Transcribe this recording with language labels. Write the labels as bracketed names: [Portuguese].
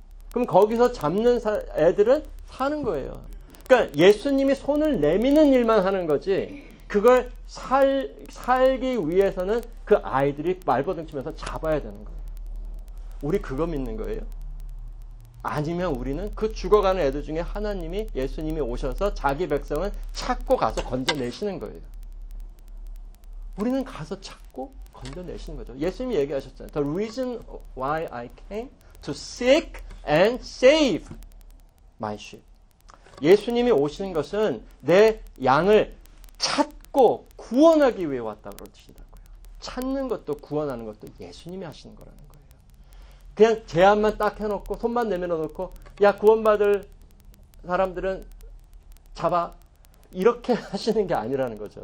[Korean] 그럼 거기서 잡는 애들은 사는 거예요. 그러니까 예수님이 손을 내미는 일만 하는 거지 그걸 살기 위해서는 그 아이들이 말버둥 치면서 잡아야 되는 거예요. 우리 그거 믿는 거예요? 아니면 우리는 그 죽어가는 애들 중에 하나님이 예수님이 오셔서 자기 백성을 찾고 가서 건져내시는 거예요. 우리는 가서 찾고 건져내시는 거죠. 예수님이 얘기하셨잖아요. [English] The reason why I came to seek and save my sheep. [Korean] 예수님이 오시는 것은 내 양을 찾고 구원하기 위해 왔다고 그러시더라고요. 찾는 것도 구원하는 것도 예수님이 하시는 거라는 거예요. 그냥 제안만 딱 해놓고 손만 내밀어놓고 야 구원받을 사람들은 잡아 이렇게 하시는 게 아니라는 거죠.